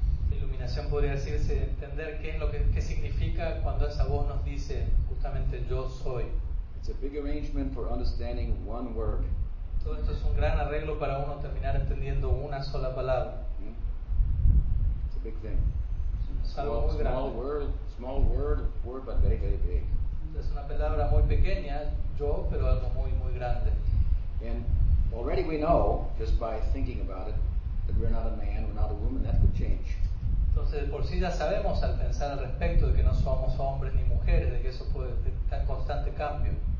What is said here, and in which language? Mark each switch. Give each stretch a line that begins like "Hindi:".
Spanish: La iluminación podría decirse entender qué es lo que qué significa cuando esa voz nos dice justamente yo soy.
English: It's a big arrangement for understanding one word.
Spanish: Todo esto es un gran arreglo para uno terminar entendiendo una sola palabra.
English: It's a big thing. Small word, but very, very big.
Spanish: Es una palabra muy pequeña, yo, pero algo muy, muy grande.
English: And already we know, just by thinking about it, that we're not a man, we're not a woman, that could change.
Spanish: Entonces, por sí ya sabemos al pensar al respecto de que no somos hombres ni mujeres, de que eso puede estar en constante cambio.